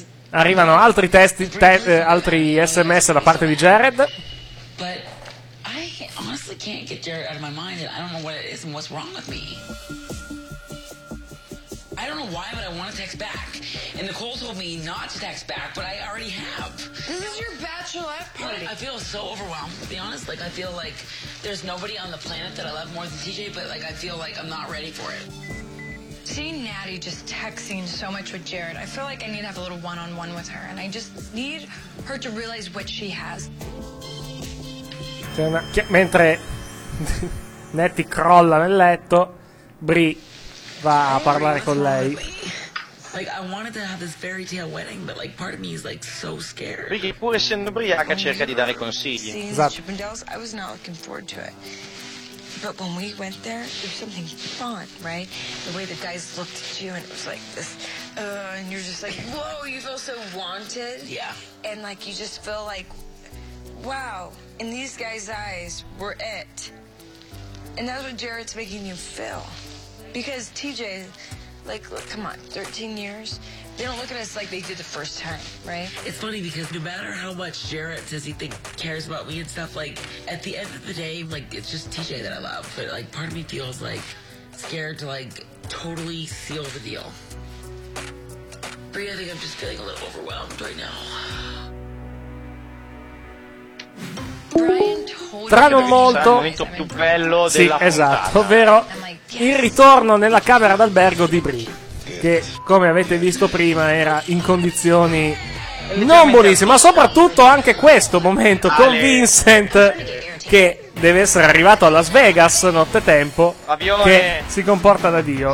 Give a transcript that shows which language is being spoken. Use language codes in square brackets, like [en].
[it] Arrivano altri testi, altri SMS da parte di Jared. [en] But I honestly can't get Jared out of my mind and I don't know what it is and what's wrong with me. I don't know why, but I want to text back. And Nicole told me not to text back, but I already have. This is your bachelorette party. I feel so overwhelmed, to be honest. Like, I feel like there's nobody on the planet that I love more than TJ, but, like, I feel like I'm not ready for it. Seeing Natty just texting so much with Jared, I feel like I need to have a little one-on-one with her, and I just need her to realize what she has. [it] Mentre Natty crolla nel letto, Brie va a parlare con lei. [en] Like, I wanted to have this fairy tale wedding, but like part of me is like so scared. [it] Perché pur essendo ubriaca cerca di dare consigli. Esatto. [en] I was not looking forward to it. But when we went there, there's something fun, right? The way the guys looked at you and it was like this and you're just like, "Whoa, you feel so wanted." Yeah. And like you just feel like, "Wow, in these guys' eyes, were it. And that's what Jared's making you feel. Because TJ, like, look, come on, 13 years? They don't look at us like they did the first time, right? It's funny because no matter how much Jared says he think cares about me and stuff, like, at the end of the day, like, it's just TJ that I love. But, like, part of me feels, like, scared to, like, totally seal the deal. Bree, I think I'm just feeling a little overwhelmed right now. [it] Tra non molto, il momento più bello della sì, esatto, ovvero il ritorno nella camera d'albergo di Bri, che come avete visto prima era in condizioni non buonissime, ma soprattutto anche questo momento con Vincent che deve essere arrivato a Las Vegas nottetempo, che si comporta da Dio.